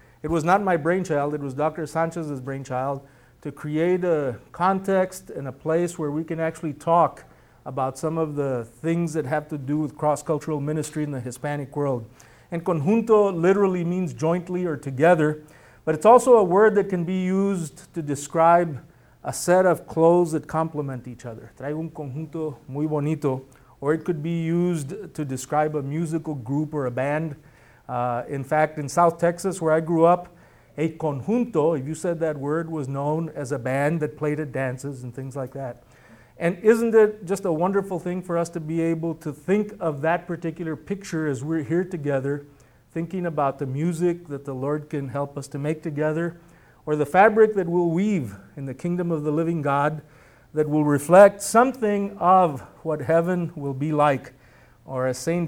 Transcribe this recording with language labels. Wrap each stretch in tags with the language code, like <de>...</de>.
<en>It was not my brainchild, it was Dr. Sanchez's brainchild, to create a context and a place where we can actually talk about some of the things that have to do with cross-cultural ministry in the Hispanic world. En Conjunto literally means jointly or together, but it's also a word that can be used to describe a set of clothes that complement each other.</en> <es>Traigo un conjunto muy bonito.</es> <en>Or it could be used to describe a musical group or a band. In fact, in South Texas, where I grew up, a conjunto, if you said that word, was known as a band that played at dances and things like that. And isn't it just a wonderful thing for us to be able to think of that particular picture as we're here together, thinking about the music that the Lord can help us to make together, or the fabric that we'll weave in the kingdom of the living God that will reflect something of what heaven will be like Or as St.</en>